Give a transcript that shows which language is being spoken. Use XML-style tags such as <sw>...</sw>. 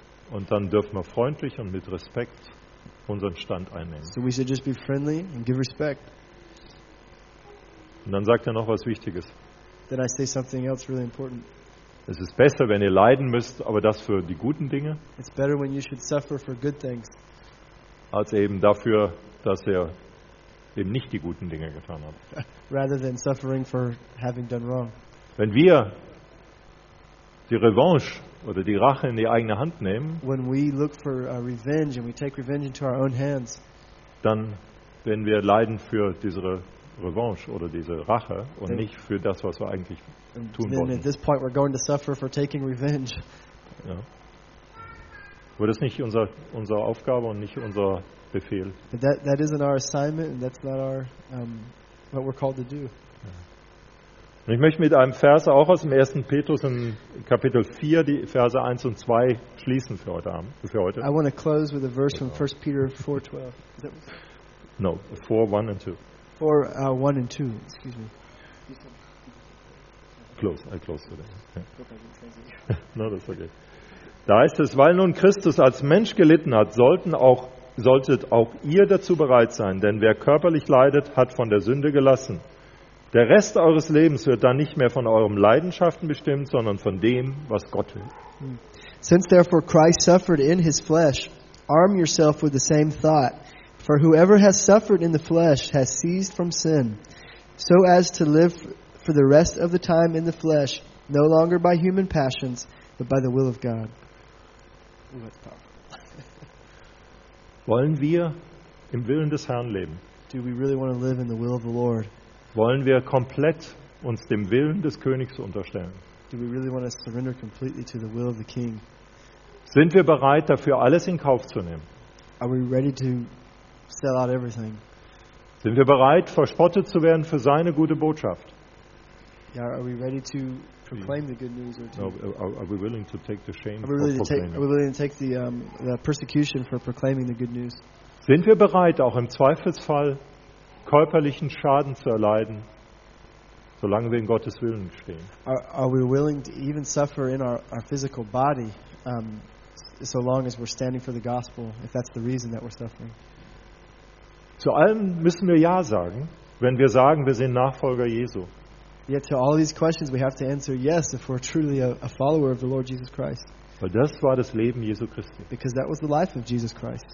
<de>Und dann dürfen wir freundlich und mit Respekt unseren Stand einnehmen.</de> <en>So we should just be friendly and give respect.</en> <de>Und dann sagt er noch was Wichtiges.</de> <en>Then I say something else really important.</en> <de>Es ist besser, wenn ihr leiden müsst, aber das für die guten Dinge.</de> <en>It's better when you should suffer for good things.</en> <de>Als eben dafür, dass ihr eben nicht die guten Dinge getan habt.</de> <en>Rather than suffering for having done wrong.</en> <de>Wenn wir die Revanche oder die Rache in die eigene Hand nehmen,</de> <en>when we look for revenge and we take revenge into our own hands,</en> <de>dann werden wir leiden für diese Revanche oder diese Rache und nicht für das, was wir eigentlich tun wollen.</de> <en>At this point we're going to suffer for taking revenge.</en> <de>Ja. Aber das ist nicht unsere Aufgabe und nicht unser Befehl.</de> <en>That isn't our assignment and that's not what we're called to do.</en> <de>Und ich möchte mit einem Vers auch aus dem 1. Petrus in Kapitel 4, die Verse 1 und 2 schließen für heute Abend. Für heute.</de> <en>I want to close with a verse from 1 Peter 4, 12. Is that no, 4, 1 and 2. 4, 1 and 2, excuse me. Close, I close with it. Yeah. No, that's okay.</en> <de>Da heißt es, weil nun Christus als Mensch gelitten hat, solltet auch ihr dazu bereit sein, denn wer körperlich leidet, hat von der Sünde gelassen. Der Rest eures Lebens wird dann nicht mehr von euren Leidenschaften bestimmt, sondern von dem, was Gott will.</de> <en>Since therefore Christ suffered in his flesh, arm yourself with the same thought. For whoever has suffered in the flesh has ceased from sin, so as to live for the rest of the time in the flesh, no longer by human passions, but by the will of God. Ooh, that's powerful.</en> <de>Wollen wir im Willen des Herrn leben?</de> <en>Do we really want to live in the will of the Lord?</en> <de>Wollen wir komplett uns dem Willen des Königs unterstellen?</de> <en>Do we really want to surrender completely to the will of the King?</en> <de>Sind wir bereit, dafür alles in Kauf zu nehmen?</de> <en>Are we ready to sell out everything?</en> <de>Sind wir bereit, verspottet zu werden für seine gute Botschaft?</de> <en>Yeah, are we ready to proclaim the good news or to? No, are we willing to take the shame? Are we willing to take? Are we willing to take the persecution for proclaiming the good news?</en> <de>Sind wir bereit, auch im Zweifelsfall körperlichen Schaden zu erleiden, solange wir in Gottes Willen stehen?</de> <en>Are we willing to even suffer in our physical body, so long as we're standing for the gospel, if that's the reason that we're suffering?</en> <de>Zu allem müssen wir ja sagen, wenn wir sagen, wir sind Nachfolger Jesu.</de> <en>Yet to all these questions we have to answer yes if we're truly a follower of the Lord Jesus Christ.</en> <de>Weil das war das Leben Jesu Christi.</de> <en>Because that was the life of Jesus Christ.</en>